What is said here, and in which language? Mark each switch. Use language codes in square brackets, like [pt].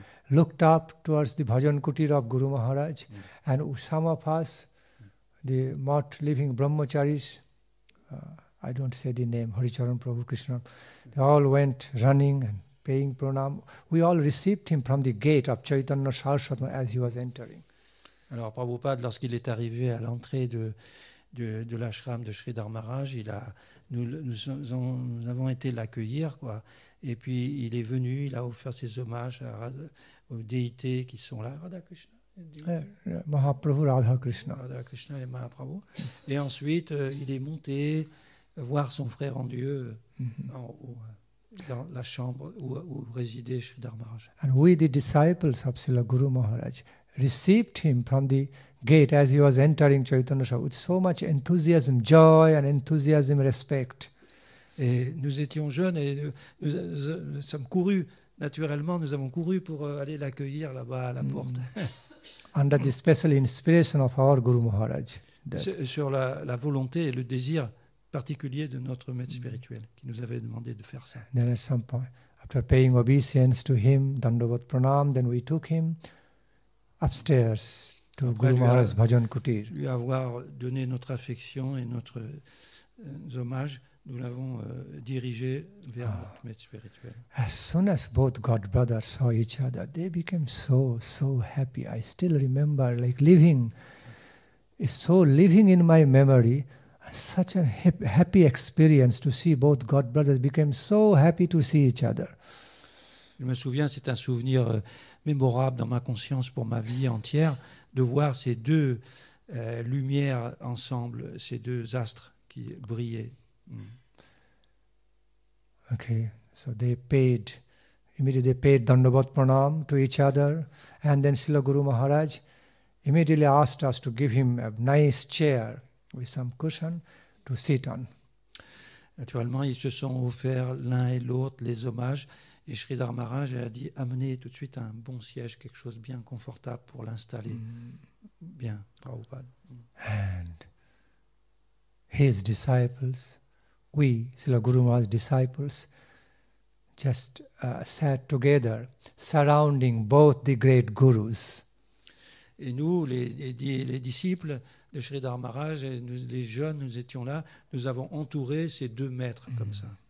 [en] Looked up towards the Bhajan Kutir of Guru Maharaj, and some of us, the moth living brahmacharis, I don't say the name, Haricharan Prabhu Krishna, they all went running and paying pranam. We all received him from the gate of Chaitanya Sarswat as he was entering. [fr] Alors Prabhupada, lorsqu'il est arrivé à l'entrée de l'ashram de Sridhar Maharaj, nous avons été l'accueillir, quoi. Et puis il est venu, il a offert ses hommages aux déités qui sont là, Radha Krishna. Mahaprabhu Radha Krishna. Radha Krishna et Mahaprabhu. Et ensuite, il est monté voir son frère en Dieu en haut, dans la chambre où résidait Sridhar Maharaj. [en] And we, the disciples of Srila Guru Maharaj, received him from the gate as he was entering Chaitanya Sarswat with so much enthusiasm, joy and enthusiasm, respect. [fr] Et nous étions jeunes et nous sommes courus, naturellement, nous avons couru pour aller l'accueillir là-bas à la porte. [en] Under the special inspiration of our Guru Maharaj. [fr] Sur la volonté et le désir particulier de notre maître spirituel qui nous avait demandé de faire ça. [en] Then at some point, after paying obeisance to him, dandavat pranam, then we took him upstairs to [fr] Après [en] Guru Maharaj's Bhajan Kutir. [fr] Lui avoir donné notre affection et notre hommage, nous l'avons dirigé vers notre maître spirituel. [en] As soon as both God brothers saw each other, they became so, so happy. I still remember, like living, so living in my memory, such a happy experience to see both God brothers became so happy to see each other. [fr] Je me souviens, c'est un souvenir mémorable dans ma conscience pour ma vie entière, de voir ces deux lumière ensemble, ces deux astres qui brillaient. [en] Okay, so they paid, immediately they paid Dandavat Pranam to each other, and then Srila Guru Maharaj immediately asked us to give him a nice chair with some cushion to sit on. [fr] Naturellement, ils se sont offerts l'un et l'autre les hommages, et Sridhar Maharaj a dit, amenez tout de suite un bon siège, quelque chose bien confortable pour l'installer. Bien, Prabhupada. [en] And his disciples, we, Srila Guru Maharaj's disciples, just sat together, surrounding both the great gurus. [fr] Et nous, les disciples de Sridhar Maharaj, et nous, les jeunes, nous étions là, nous avons entouré ces deux maîtres comme ça.